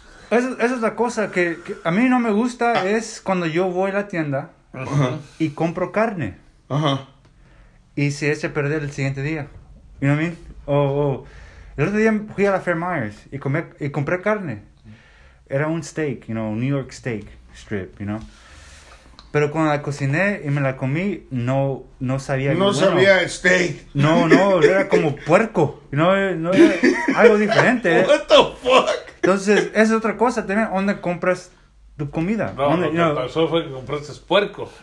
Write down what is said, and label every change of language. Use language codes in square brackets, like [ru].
[es] Esa es la cosa que a mí no me gusta, es cuando yo voy a la tienda y compro carne. Uh-huh. Y se echa a perder el siguiente día. [en] You know what I mean? [es] El otro día fui a la Fair Myers y compré carne. Era un [en] steak, you know, New York steak strip, you know. [es] Pero cuando la cociné y me la comí, no sabía. No bueno. Sabía steak. No, era como puerco. You know? No era algo diferente. [en] What the fuck? [es] Entonces, esa es otra cosa también. ¿Dónde compras tu comida? No, lo que pasó fue que compraste puerco.